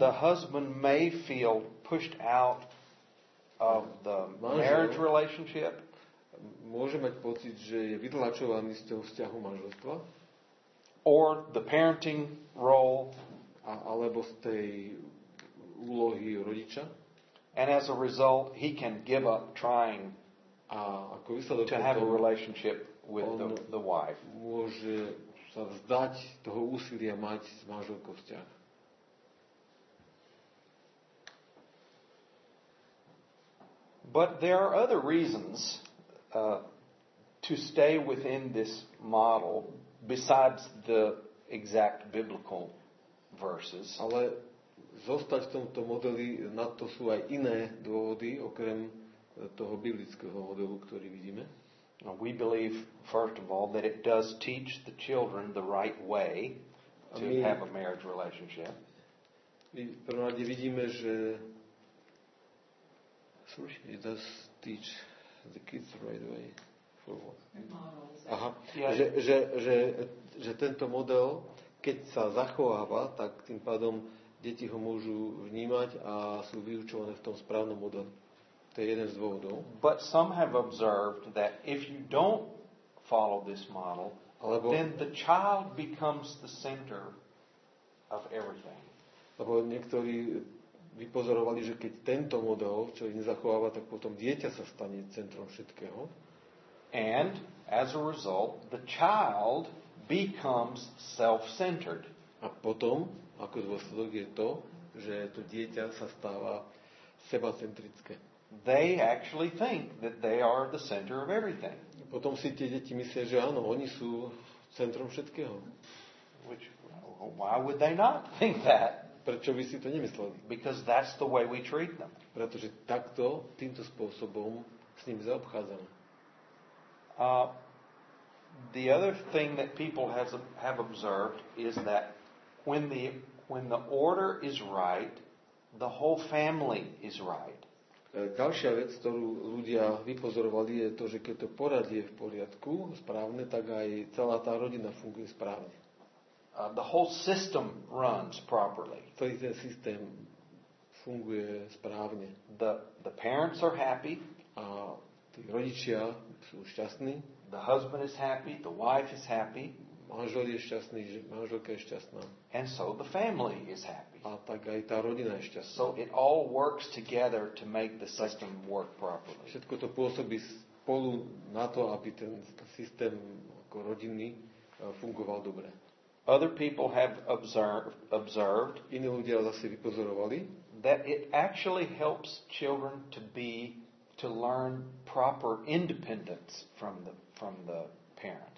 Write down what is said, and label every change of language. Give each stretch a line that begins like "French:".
English: the husband may feel pushed out of the marriage relationship.
Slovak: Môže mať pocit, že je vytlačovaný z toho vzťahu manželstva.
English: Or the parenting role.
Slovak: Alebo z tej úlohy rodiča.
English: And as a result, he can give up trying to have a relationship with the wife.
Slovak: Môže sa vzdať toho úsilia mať s manželkou vzťah.
English: But there are other reasons to stay within this model besides the exact biblical verses.
Slovak: Ale zostať v tomto modeli na to sú aj iné dôvody okrem toho biblického modelu, ktorý vidíme.
English: We believe first of all that it does teach the children the right way to have a marriage relationship.
Slovak: My v prvom rade vidíme, že slušne,
English: it does teach the kids right away for what? Aha, yeah.
Slovak: že tento model, keď sa zachováva, tak tým pádom deti ho môžu vnímať a sú vyučované v tom správnom modeli. To je jeden z dôvodov.
English: But some have observed that if you don't follow this model,
Slovak: alebo,
English: then the child becomes the center of everything.
Slovak: Lebo niektorí vypozorovali, že keď tento model človek nezachováva, tak potom dieťa sa stane centrom všetkého.
English: And as a result, the child becomes self-centered.
Slovak: A potom, ako dôsledok je to, že to dieťa sa stáva sebacentrické.
English: they actually think that they are the center of everything.
Slovak: Potom si tie deti myslia, že áno, oni sú centrom všetkého.
English: Which, why would they not think that?
Slovak: Prečo by si to nemysleli?
English: Because that's the way we treat them.
Slovak: Pretože takto, týmto spôsobom s nimi zaobchádzame.
English: The other thing that people have observed is that when the order is right, the whole family is right.
Slovak: Ďalšia vec, ktorú ľudia vypozorovali, je to, že keď to poradie je v poriadku, správne, tak aj celá tá rodina funguje správne.
English: The whole system runs properly.
Slovak: Celý ten systém funguje správne.
English: The parents are happy.
Slovak: A tí rodičia sú šťastní.
English: The husband is happy, the wife is happy.
Slovak: Manžel je šťastný, manželka je šťastná.
English: And so the family is happy.
Slovak: A tak aj tá rodina je šťastná.
English: So it all works together to make the system work properly.
Slovak: Všetko to pôsobí spolu na to, aby ten systém ako rodinný fungoval dobre.
English: Other people have observed,
Slovak: iní ľudia zase vypozorovali,
English: that it actually helps children to learn proper independence from the parents.